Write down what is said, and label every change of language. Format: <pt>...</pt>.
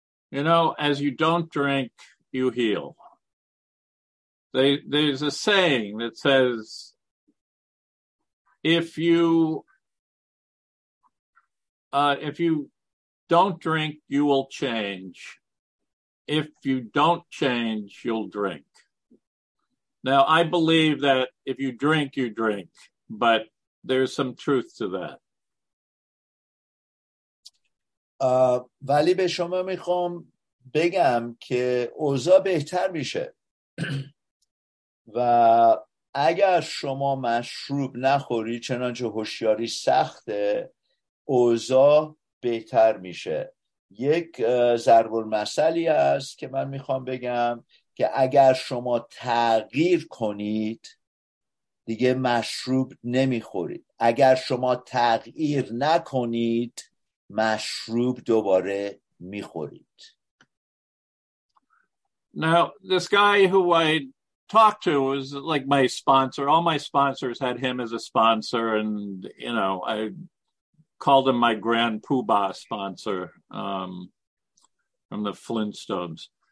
<en>You know, as you don't drink, you heal. There's a saying that says, if you don't drink, you will change. If you don't change, you'll drink. Now, I believe that if you drink, you drink, but there's some truth to that.</en> <fa>ولی به شما میخوام بگم که اوضاع بهتر میشه. و اگر شما مشروب نخوری، چنانچه هوشیاری سخته، اوضاع بهتر میشه. یک ضرب المثلی است که من میخوام بگم که اگر شما تغییر کنید دیگه مشروب نمیخورید، اگر شما تغییر نکنید مشروب دوباره میخورید.</fa> <en>Now this guy who I talked to was like my sponsor. All my sponsors had him as a sponsor, and you know, I called him my grand poobah sponsor from the Flintstones.</en>